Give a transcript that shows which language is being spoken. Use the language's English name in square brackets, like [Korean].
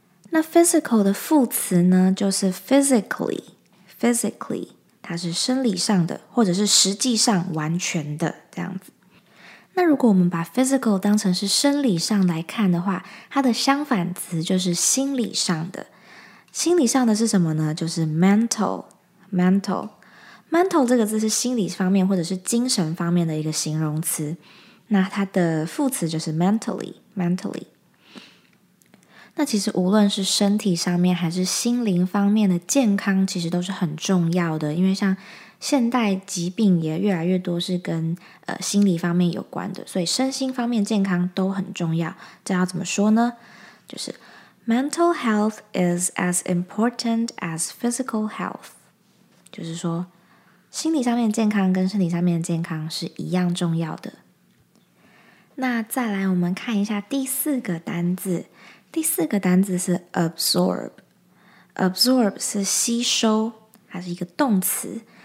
[Chinese] 那physical的副词呢， 就是physically， physically， 它是生理上的， 或者是实际上完全的这样子。那如果我们把physical当成是生理上来看的话， 它的相反词就是心理上的。心理上的是什么呢？就是mental， mental。 mental这个字是心理方面 或者是精神方面的一个形容词。那它的副词就是mentally， mentally。那其实无论是身体上面还是心灵方面的健康， 其实都是很重要的， 因为像现代疾病也越来越多是跟 心理方面有关的， 所以身心方面健康都很重要。这要怎么说呢？ [English] 就是 mental health is as important as physical health。 [Chinese] 就是说心理上面的健康跟身体上面的健康是一样重要的。那再来我们看一下第四个单字，第四个单字是 absorb。 absorb 是吸收，它是一个动词。